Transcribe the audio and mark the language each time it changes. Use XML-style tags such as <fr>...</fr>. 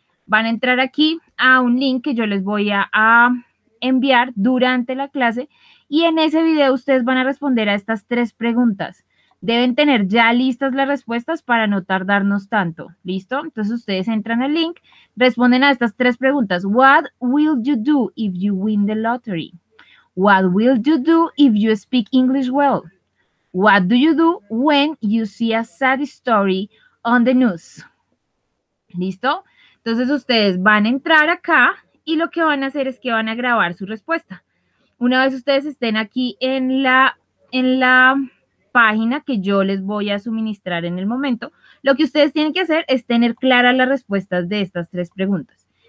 <es>Van a entrar aquí a un link que yo les voy a enviar durante la clase y en ese video ustedes van a responder a estas 3 preguntas. Deben tener ya listas las respuestas para no tardarnos tanto, ¿listo? Entonces ustedes entran al link, responden a estas 3 preguntas.</es> <en>What will you do if you win the lottery? What will you do if you speak English well? What do you do when you see a sad story on the news?</en> <es>¿Listo? Entonces ustedes van a entrar acá y lo que van a hacer es que van a grabar su respuesta. Una vez ustedes estén aquí en la página que yo les voy a suministrar en el momento, lo que ustedes tienen que hacer es tener claras las respuestas de estas 3 preguntas.</es>